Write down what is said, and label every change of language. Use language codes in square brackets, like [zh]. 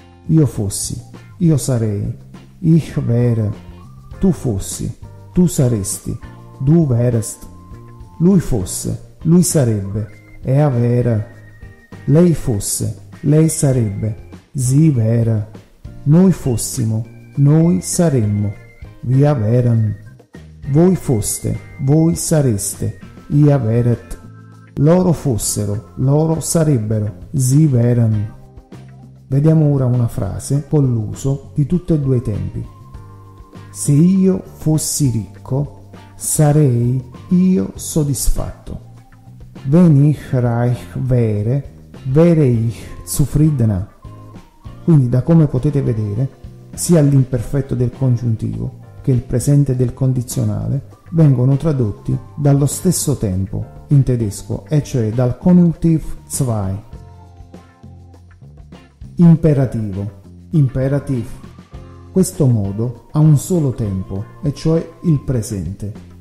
[it] Io fossi, io sarei, [de] ich wäre, [it] tu fossi, tu saresti, [de] du wärst, [it] lui fosse, lui sarebbe, [de] er wäre, [it] lei fosse, lei sarebbe, [de] sie wäre, [it] noi fossimo, noi saremmo, [de] wir wären, [it] voi foste, voi sareste, [de] ihr wäret. [it] Loro fossero, loro sarebbero, [de] sie wären. [it] Vediamo ora una frase con l'uso di tutti e due i tempi. Se io fossi ricco, sarei io soddisfatto. [de] Wenn ich reich wäre, wäre ich zufriedener. [it] Quindi, da come potete vedere, sia l'imperfetto del congiuntivo che il presente del condizionale vengono tradotti dallo stesso tempo in tedesco, e cioè dal Konjunktiv 2. Imperativo. Imperativ. Questo modo ha un solo tempo, e cioè il presente.